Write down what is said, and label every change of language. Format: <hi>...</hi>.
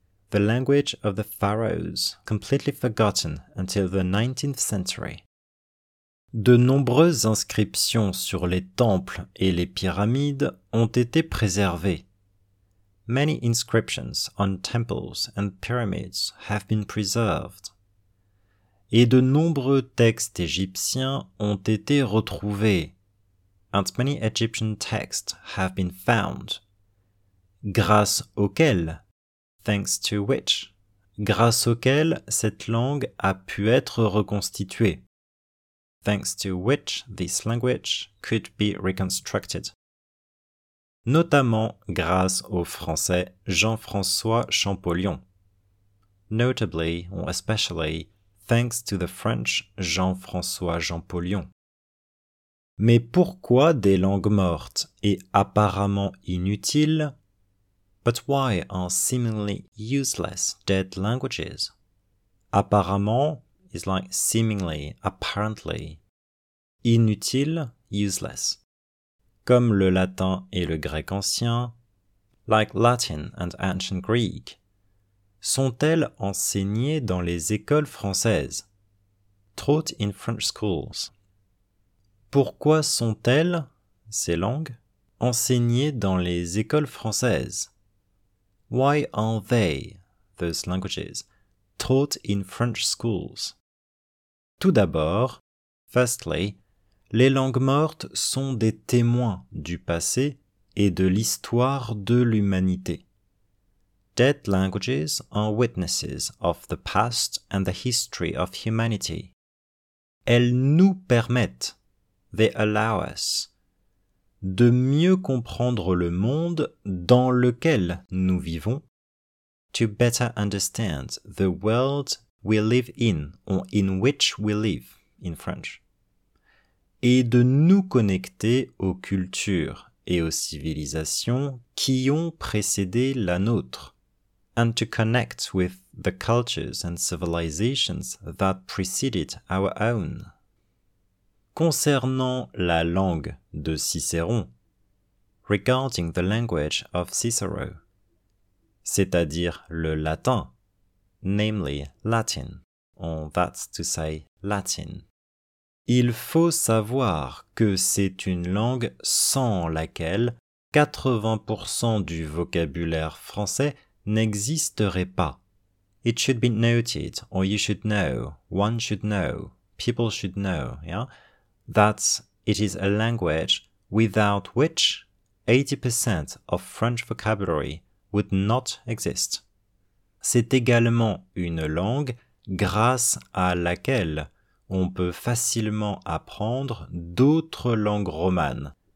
<en>The language of the pharaohs, completely forgotten until the 19th century.</en> <fr>De nombreuses inscriptions sur les temples et les pyramides ont été préservées.</fr> <en>Many inscriptions on temples and pyramids have been preserved.</en> <fr>et de nombreux textes égyptiens ont été retrouvés.</fr> <en>And many Egyptian texts have been found.</en> <fr>Grâce auxquels?</fr> <en>Thanks to which?</en> <fr>Grâce auxquels cette langue a pu être reconstituée.</fr> <en>Thanks to which this language could be reconstructed.</en> <fr>Notamment grâce au français Jean-François Champollion.</fr> <en>Notably, or especially, thanks to the French Jean-François Champollion.</en> <fr>Mais pourquoi des langues mortes et apparemment inutiles?</fr> <en>But why are seemingly useless dead languages?</en> <fr>Apparemment</fr> <en>is like seemingly, apparently.</en> <fr>Inutile, useless. Comme le latin et le grec ancien,</fr> <en>like Latin and ancient Greek,</en> <fr>sont-elles enseignées dans les écoles françaises?</fr> <en>Taught in French schools.</en> <fr>Pourquoi sont-elles, ces langues, enseignées dans les écoles françaises?</fr> <en>Why are they, those languages, taught in French schools?</en> <fr>Tout d'abord,</fr> <en>firstly,</en> <fr>les langues mortes sont des témoins du passé et de l'histoire de l'humanité.</fr> <en>Dead languages are witnesses of the past and the history of humanity.</en> <fr>Elles nous permettent,</fr> <en>they allow us,</en> <fr>de mieux comprendre le monde dans lequel nous vivons,</fr> <en>to better understand the world we live in, or in which we live, in French,</en> <fr>et de nous connecter aux cultures et aux civilisations qui ont précédé la nôtre,</fr> <en>and to connect with the cultures and civilizations that preceded our own.</en> <fr>Concernant la langue de Cicéron,</fr> <en>regarding the language of Cicero,</en> <fr>c'est-à-dire le latin,</fr> <en>namely Latin, or that's to say Latin,</en> <fr>il faut savoir que c'est une langue sans laquelle 80% du vocabulaire français n'existerait pas.</fr> <en>It should be noted, or you should know, one should know, people should know, yeah? That it is a language without which 80% of French vocabulary would not exist.</en> <fr>C'est également une langue grâce à laquelle on peut facilement apprendre d'autres langues romanes.</fr>